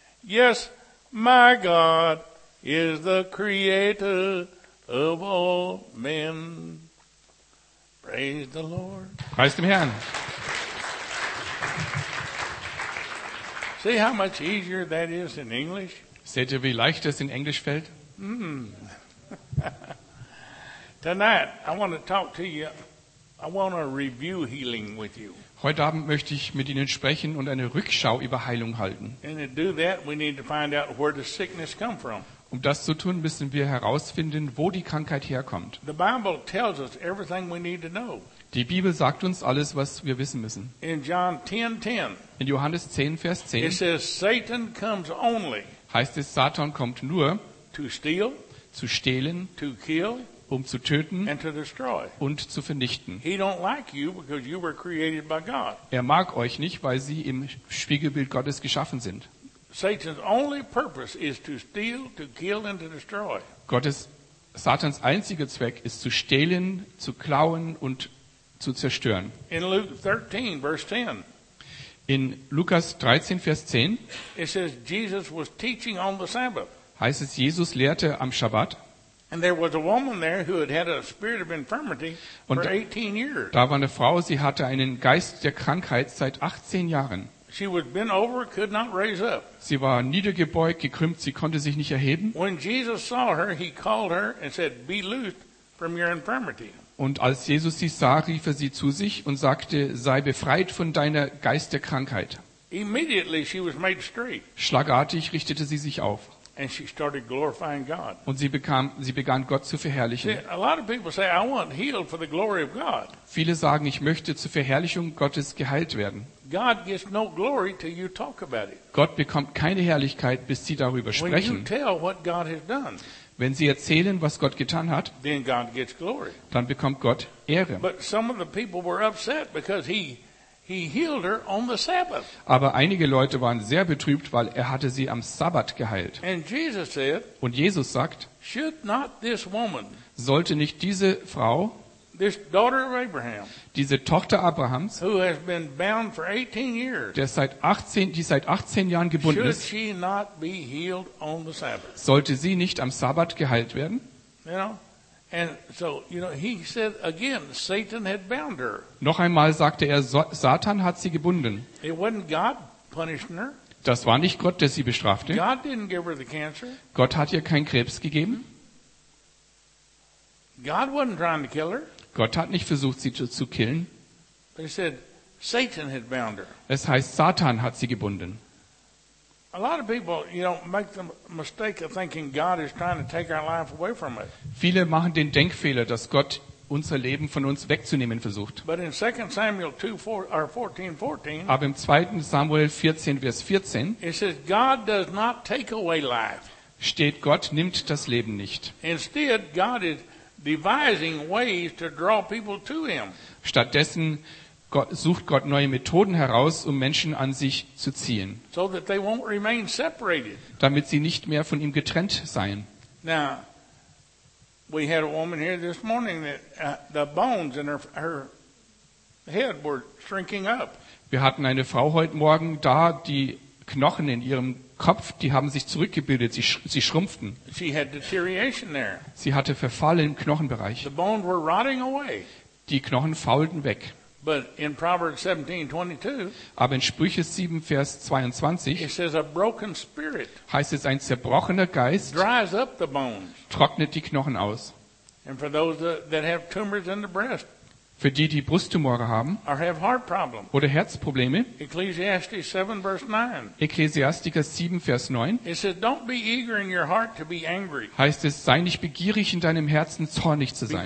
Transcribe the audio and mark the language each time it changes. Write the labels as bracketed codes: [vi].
[en] Yes, my God is the creator of all men. Praise the Lord. [de] Preist dem Herrn. [en] See how much easier that is in English? [de] Seht ihr, wie leicht es in Englisch fällt? [en] Tonight, I want to talk to you. I want to review healing with you. [de] Heute Abend möchte ich mit Ihnen sprechen und eine Rückschau über Heilung halten. [en] And to do that, we need to find out where the sickness come from. [de] Um das zu tun, müssen wir herausfinden, wo die Krankheit herkommt. [en] The Bible tells us everything we need to know. [de] Die Bibel sagt uns alles, was wir wissen müssen. [en] In John 10:10. [de] In Johannes 10, Vers 10. [en] It says Satan comes only. [de] Heißt es, Satan kommt nur. [en] To steal. [de] Zu stehlen. [en] To kill. [de] Um zu töten. [en] And to destroy. [de] Und zu vernichten. [en] He don't like you because you were created by God. [de] Er mag euch nicht, weil sie im Spiegelbild Gottes geschaffen sind. [en] Satan's only purpose is to steal, to kill and to destroy. [de] Satans einziger Zweck ist zu stehlen, zu klauen und zu zerstören. [en] In Luke 13 verse 10. [de] In Lukas 13 Vers 10. [en] It says Jesus was teaching on the Sabbath. [de] Heißt es, Jesus lehrte am Sabbat. [en] And there was a woman there who had had a spirit of infirmity for 18 years. [de] Da war eine Frau, sie hatte einen Geist der Krankheit seit 18 Jahren. [en] She was bent over, could not raise up. [de] Sie war niedergebeugt, gekrümmt, sie konnte sich nicht erheben. [en] When Jesus saw her, he called her and said, "Be loosed from your infirmity." [de] Und als Jesus sie sah, rief er sie zu sich und sagte, sei befreit von deiner Geisterkrankheit. [en] Immediately she was made straight. [de] Schlagartig richtete sie sich auf. [en] And she started glorifying God. [de] Und sie begann Gott zu verherrlichen. [en] See, a lot of people say, I want healed for the glory of God. [de] Viele sagen, ich möchte zur Verherrlichung Gottes geheilt werden. [en] God gets no glory till you talk about it. [de] Gott bekommt keine Herrlichkeit, bis sie darüber sprechen. [en] When you tell what God has done, [de] wenn sie erzählen, was Gott getan hat, [en] then God gets glory. [de] Dann bekommt Gott Ehre. [en] But some of the people were upset because he healed her on the Sabbath. [de] Aber einige Leute waren sehr betrübt, weil er hatte sie am Sabbat geheilt. [en] And Jesus said, [de] und Jesus sagt, [en] should not this woman, [de] sollte nicht diese Frau, [en] this daughter of Abraham, [de] diese Tochter Abrahams, [en] who has been bound for 18 years, [de] die seit 18 Jahren gebunden [en] should [de] ist, [en] she not be healed on the Sabbath? [de] Sollte sie nicht am Sabbat geheilt werden? [en] You know? And so, you know, he said again, Satan had bound her. [de] Noch einmal sagte er, Satan hat sie gebunden. [en] It wasn't God punishing her. [de] Das war nicht Gott, der sie bestrafte. [en] God didn't give her the cancer. [de] Gott hat ihr keinen Krebs gegeben. [en] God wasn't trying to kill her. [de] Gott hat nicht versucht, sie zu killen. [en] But he said, Satan had bound her. [de] Es heißt, Satan hat sie gebunden. [en] A lot of people, you know, make the mistake of thinking God is trying to take our life away from us. [de] Viele machen den Denkfehler, dass Gott unser Leben von uns wegzunehmen versucht. [en] But in 2 Samuel 14:14. [de] Aber im 2. Samuel 14, Vers 14. [en] It says God does not take away life. [de] Steht, Gott nimmt das Leben nicht. [en] Instead, God is devising ways to draw people to Him. [de] Stattdessen sucht Gott neue Methoden heraus, um Menschen an sich zu ziehen. [en] So that they won't remain separated. [de] Damit sie nicht mehr von ihm getrennt seien. [en] Now, we had a woman here this morning that the bones in her head were shrinking up. [de] Wir hatten eine Frau heute Morgen da, die Knochen in ihrem Kopf, die haben sich zurückgebildet, sie schrumpften. [en] She had deterioration there. [de] Sie hatte Verfall im Knochenbereich. [en] The bones were rotting away. [de] Die Knochen faulten weg. [en] But in Proverbs 17:22, [de] aber in Sprüche 7, Vers 22, [en] it says a broken spirit [de] heißt es, ein zerbrochener Geist [en] dries up the bones, [de] trocknet die Knochen aus. [en] And for those that have tumors in the breast, [de] für die Brusttumore haben, [en] or have heart problems, [de] oder Herzprobleme, [en] Ecclesiastes 7, verse 9, [de] Ecclesiastiker 7, Vers 9, [en] it says, don't be eager in your heart to be angry, [de] heißt es, sei nicht begierig in deinem Herzen zornig zu sein.